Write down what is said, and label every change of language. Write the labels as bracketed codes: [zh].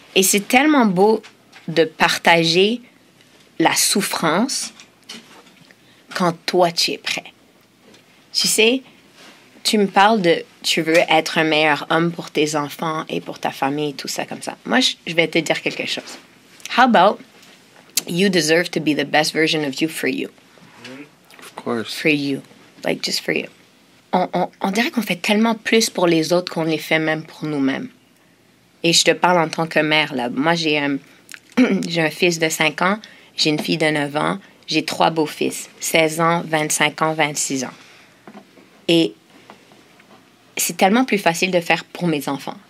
[fr] Et c'est tellement beau de partager la souffrance quand toi, tu es prêt. Tu sais? Tu me parles de tu veux être un meilleur homme pour tes enfants et pour ta famille, tout ça comme ça. Moi, je vais te dire quelque chose. [en] How about you deserve to be the best version of you for you? Of course. For you. Like, just for you. [fr] On dirait qu'on fait tellement plus pour les autres qu'on les fait même pour nous-mêmes. Et je te parle en tant que mère, là. Moi, j'ai un fils de 5 ans, j'ai une fille de 9 ans, j'ai 3 beaux-fils. 16 ans, 25 ans, 26 ans. Et c'est tellement plus facile de faire pour mes enfants.